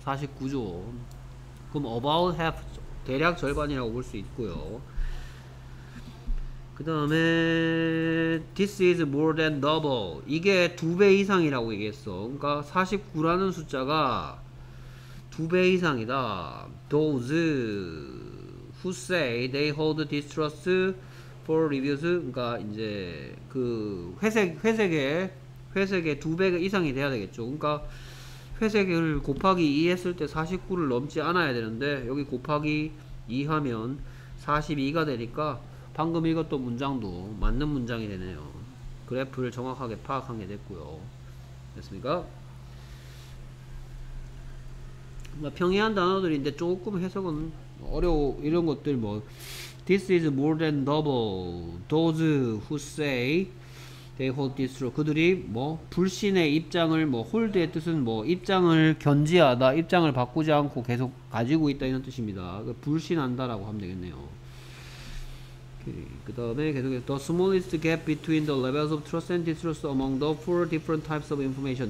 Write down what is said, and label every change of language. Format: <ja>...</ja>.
<ko>49죠. 그럼</ko> <en>about half</en> <ko>대략 절반이라고 볼 수 있고요. 그 다음에</ko> <en>this is more than double.</en> <ko>이게 두 배 이상이라고 얘기했어. 그러니까 49라는 숫자가 두 배 이상이다.</ko> <en>Those who say they hold distrust for reviews.</en> <ko>그러니까 이제 그 회색의 두 배 이상이 돼야 되겠죠. 그러니까 회색을 곱하기 2 했을 때 49를 넘지 않아야 되는데 여기 곱하기 2 하면 42가 되니까 방금 읽었던 문장도 맞는 문장이 되네요. 그래프를 정확하게 파악한 게 됐고요. 됐습니까? 평이한 단어들인데 조금 해석은 어려워. 이런 것들 뭐</ko> <en>this is more than double. those who say they hold this true.</en> <ko>그들이 뭐 불신의 입장을 뭐 hold의 뜻은 뭐 입장을 견지하다, 입장을 바꾸지 않고 계속 가지고 있다 이런 뜻입니다. 불신한다라고 하면 되겠네요. 그 다음에 계속해서</ko> <en>the smallest gap between the levels of trust and distrust among the four different types of information.</en>